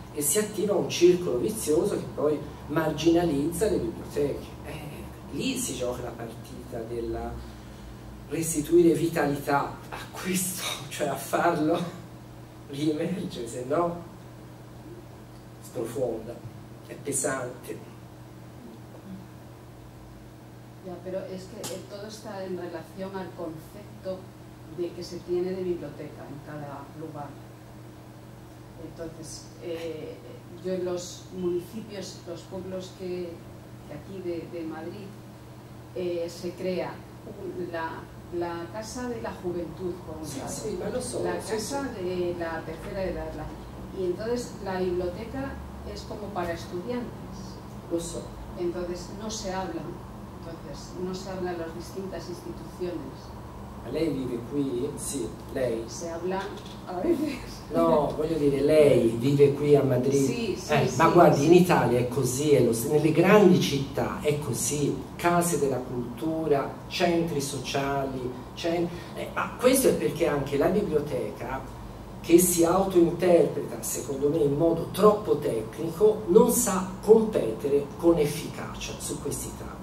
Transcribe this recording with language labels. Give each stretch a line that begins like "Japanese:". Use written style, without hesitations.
Italian: e si attiva un circolo vizioso che poi marginalizza le biblioteche. Lì si gioca la partita della restituire vitalità a questo, cioè a farlo riemergere, se no sprofonda, è pesante.
Spanish: Ya, pero es que todo está en relación al concepto de que se tiene de biblioteca en cada lugar. Entonces, yo en los municipios, los pueblos que aquí de Madrid, se crea la casa de la juventud, como sí, sí, lo son, la sí, casa sí. De la tercera edad. Y entonces la biblioteca es como para estudiantes. Lo son. Entonces no se habla. Entonces, no se habla de las distintas instituciones. ¿Lei vive aquí? Sí, lei. Se habla a veces.
Italian: No, voglio dire, lei vive qui a Madrid. Sì, sì, ma sì, guardi, sì. In Italia è così, nelle grandi città è così, case della cultura, centri sociali, ma questo è perché anche la biblioteca, che si autointerpreta, secondo me, in modo troppo tecnico, non sa competere con efficacia su questi tavoli.